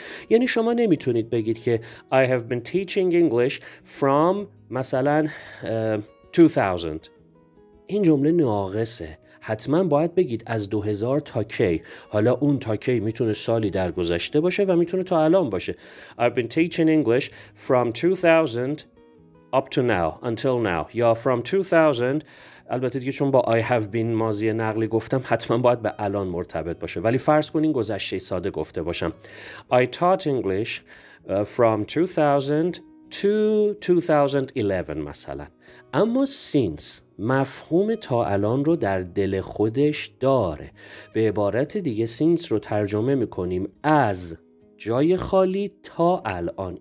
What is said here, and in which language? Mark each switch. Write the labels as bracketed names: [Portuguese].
[Persian] یعنی شما نمیتونید بگید که [English] I have been teaching English from [Persian] مثلا 2000. این جمله ناقصه. حتما باید بگید از 2000 تا کی. حالا اون تا کی میتونه سالی در گذشته باشه و میتونه تا الان باشه. [English] I've been teaching English from 2000 up to now, until now. [Persian] یا from 2000، البته دیگه چون با I have been ماضی نقلی گفتم حتما باید به الان مرتبط باشه، ولی فرض کنین گذشته ساده گفته باشم. [English] I taught English from 2000 to 2011 مثلا. [Persian] اما since مفهوم تا الان رو در دل خودش داره. به عبارت دیگه since رو ترجمه میکنیم از جای خالی تا الان.